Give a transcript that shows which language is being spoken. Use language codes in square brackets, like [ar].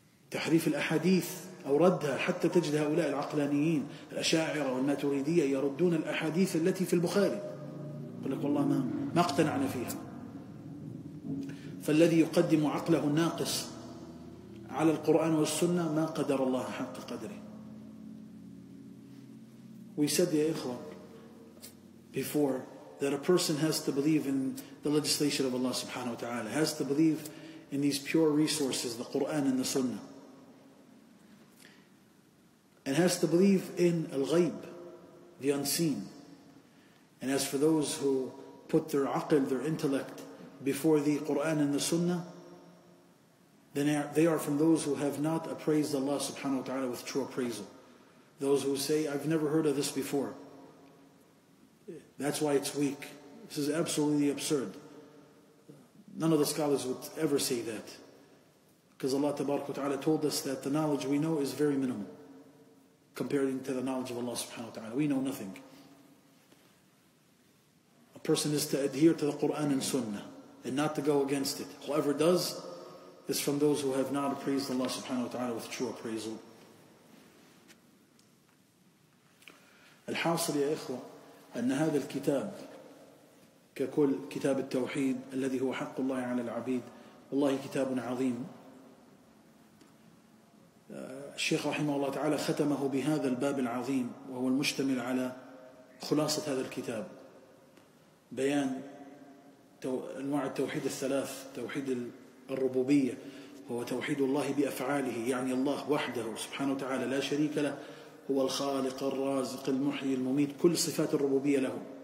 [ar] تحريف الأحاديث أوردها حتى تجد هؤلاء العقلانيين الأشاعرة والماتريدية يردون الأحاديث التي في البخاري، قل لك والله ما اقتنعنا فيها. فالذي يقدم عقله الناقص على القرآن والسنة ما قدر الله حق قدره. [en] We said, ya ikhwan, before, that a person has to believe in the legislation of Allah subhanahu wa ta'ala, has to believe in these pure resources, the Qur'an and the Sunnah, and has to believe in al-ghayb, the unseen. And as for those who put their aql, their intellect, before the Qur'an and the Sunnah, then they are from those who have not appraised Allah subhanahu wa ta'ala with true appraisal. Those who say, I've never heard of this before. That's why it's weak. This is absolutely absurd. None of the scholars would ever say that. Because Allah tabaraka wa ta'ala told us that the knowledge we know is very minimal compared to the knowledge of Allah subhanahu wa ta'ala. We know nothing. A person is to adhere to the Qur'an and Sunnah and not to go against it. Whoever does is from those who have not appraised Allah subhanahu wa ta'ala with true appraisal. [ar] الحاصل يا إخوة أن هذا الكتاب ككل كتاب التوحيد الذي هو حق الله على العبيد والله كتاب عظيم. الشيخ رحمه الله تعالى ختمه بهذا الباب العظيم وهو المشتمل على خلاصة هذا الكتاب، بيان أنواع التوحيد الثلاث: توحيد الربوبية هو توحيد الله بأفعاله، يعني الله وحده سبحانه وتعالى لا شريك له، هو الخالق الرازق المحيي المميت، كل صفات الربوبية له.